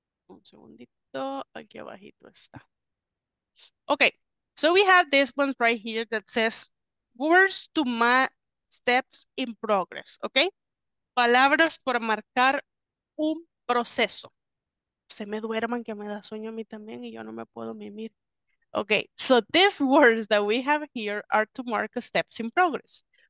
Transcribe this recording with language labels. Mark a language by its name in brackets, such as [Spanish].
[Spanish] Un segundito. Aquí abajito está. Okay. [English] So we have this one right here that says words to mark steps in progress. [Spanish] Okay. Palabras para marcar un proceso. Se me duerman que me da sueño a mí también y yo no me puedo mimir. [English] Okay, so these words that we have here are to mark steps in progress.